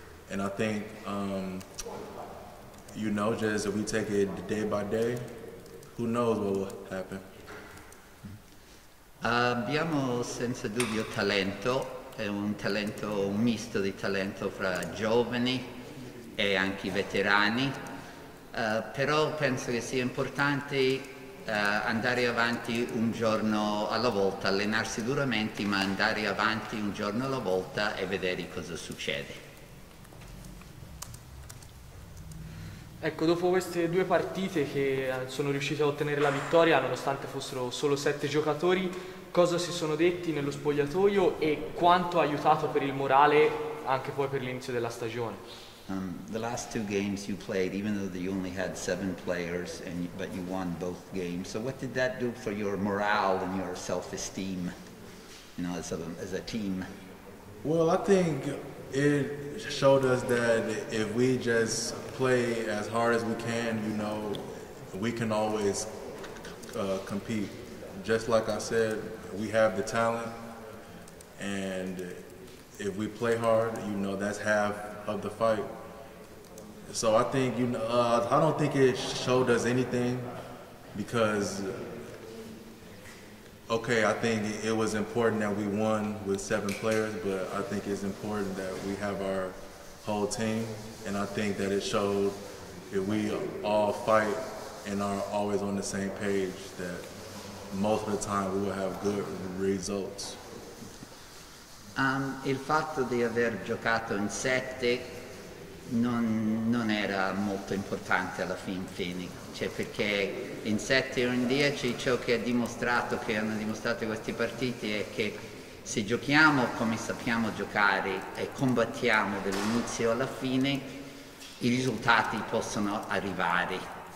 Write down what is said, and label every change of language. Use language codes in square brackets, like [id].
[en] And I think, you know, just if we take it day by day, who knows what will happen. [it] Abbiamo senza dubbio talento, è un talento, un misto di talento fra giovani e anche veterani, però penso che sia importante andare avanti un giorno alla volta, allenarsi duramente, ma andare avanti un giorno alla volta e vedere cosa succede. Ecco, dopo queste due partite che sono riuscite a ottenere la vittoria, nonostante fossero solo 7 giocatori, cosa si sono detti nello spogliatoio e quanto ha aiutato per il morale anche poi per l'inizio della stagione? [en] The last two games you played, even though you only had 7 players, and but you won both games, so what did that do for your morale and your self-esteem, you know, as a team? Well, I think it showed us that if we just play as hard as we can, you know, we can always compete. Just like I said, we have the talent, and if we play hard, you know, that's half of the fight. So I think, you know, I don't think it showed us anything, because, okay, I think it was important that we won with 7 players, but I think it's important that we have our whole team, and I think that it showed if we all fight and are always on the same page that most of the time we will have good results. [it] Il fatto di aver giocato in 7 non era molto importante alla fine, cioè perché in 7 o in 10 ciò che ha dimostrato, che hanno dimostrato questi partiti, è che se giochiamo come sappiamo giocare e combattiamo dall'inizio alla fine, i risultati possono arrivare.